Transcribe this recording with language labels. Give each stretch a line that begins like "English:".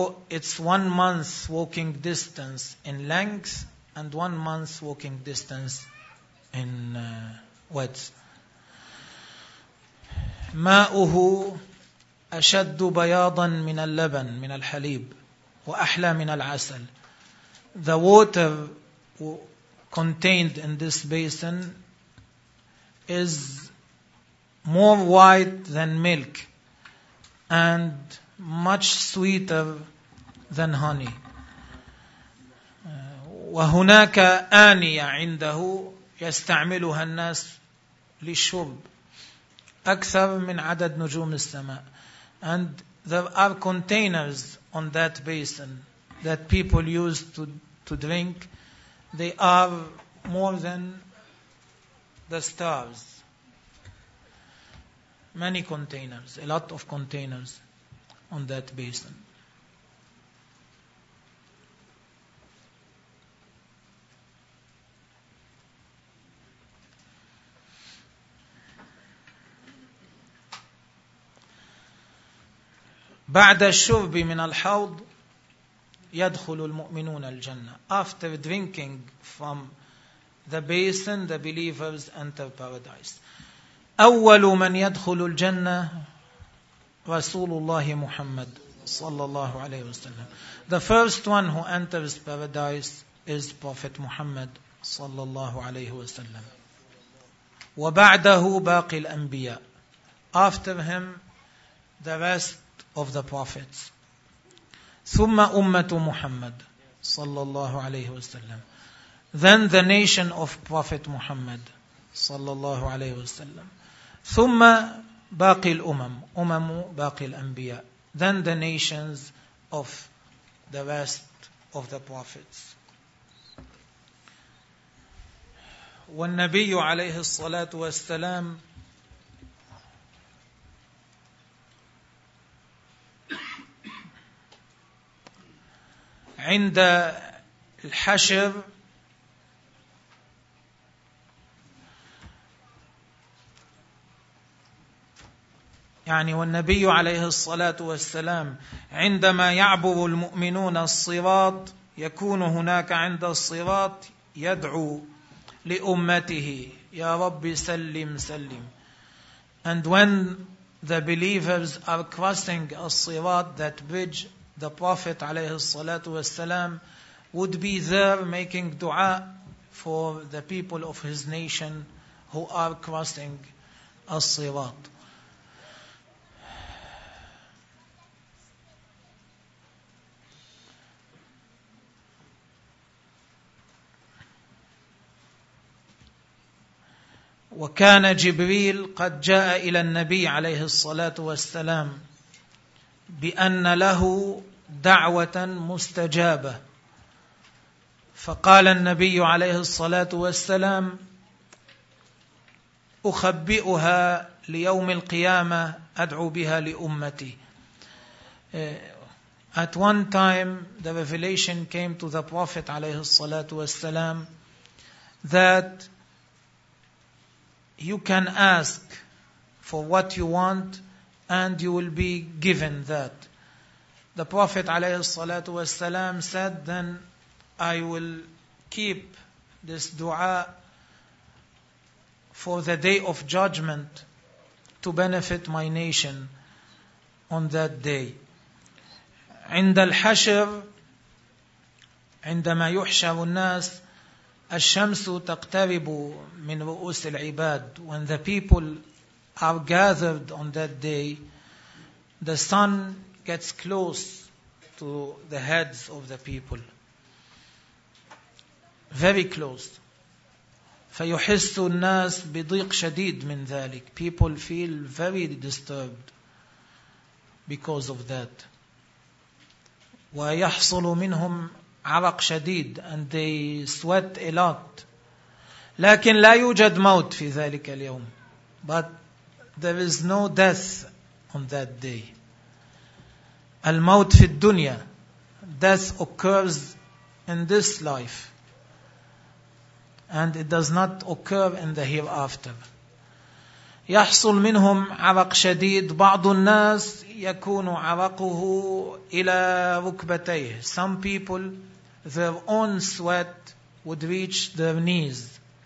English: It's 1 month walking distance in length and 1 month walking distance in width.
Arabic: ماؤه أشد بياضا من اللبن من الحليب وأحلى من العسل.
English: The water contained in this basin is more white than milk and much sweeter than honey.
Arabic: وهناك آنية عنده يستعملها الناس للشرب أكثر من عدد نجوم السماء.
English: And there are containers on that basin that people use to drink. They are more than the stars. Many containers, a lot of containers on that basin.
Arabic: بعد الشرب من الحوض يدخل المؤمنون الجنة.
English: After drinking from the basin, the believers enter paradise.
Arabic: أول من يدخل الجنة رسول الله محمد صلى الله عليه وسلم.
English: The first one who enters paradise is Prophet Muhammad
Arabic: صلى الله عليه وسلم. وبعده باقي الأنبياء.
English: After him, the rest of the prophets.
Arabic: ثم أمة محمد صلى الله عليه وسلم.
English: Then the nation of Prophet Muhammad
Arabic: صلى الله عليه وسلم. ثم باقي الأمم أمم باقي الأنبياء.
English: Then the nations of the rest of the prophets.
Arabic: والنبي عليه الصلاة والسلام عند الحشر يعني والنبي عليه الصلاة والسلام عندما يعبر المؤمنون الصراط يكون هناك عند الصراط يدعو لأمته يا رب سلم سلم.
English: And when the believers are crossing الصراط, that bridge, the Prophet
Arabic: عليه الصلاة والسلام
English: would be there making dua for the people of his nation who are crossing الصراط.
Arabic: وكان جبريل قد جاء إلى النبي عليه الصلاة والسلام بأن له دعوة مستجابة فقال النبي عليه الصلاة والسلام أخبئها ليوم القيامة أدعو بها لأمتي.
English: At one time the revelation came to the Prophet
Arabic: عليه الصلاة والسلام
English: that you can ask for what you want and you will be given that. The Prophet
Arabic: عليه الصلاة والسلام
English: said, then I will keep this dua for the day of judgment to benefit my nation on that day.
Arabic: عند الحشر عندما يحشر الناس الشمس تقترب من رؤوس العباد.
English: When the people are gathered on that day, the sun gets close to the heads of the people. Very close.
Arabic: فيحس الناس بضيق شديد من ذلك.
English: People feel very disturbed because of that.
Arabic: ويحصل منهم عرق شديد
English: and they sweat a lot.
Arabic: لكن لا يوجد موت في ذلك اليوم.
English: But there is no death on that day.
Arabic: الموت في الدنيا.
English: Death occurs in this life. And it does not occur in the hereafter.
Arabic: يحصل منهم عرق شديد. بعض الناس يكون عرقه إلى ركبتيه.
English: Some people, their own sweat would reach their knees.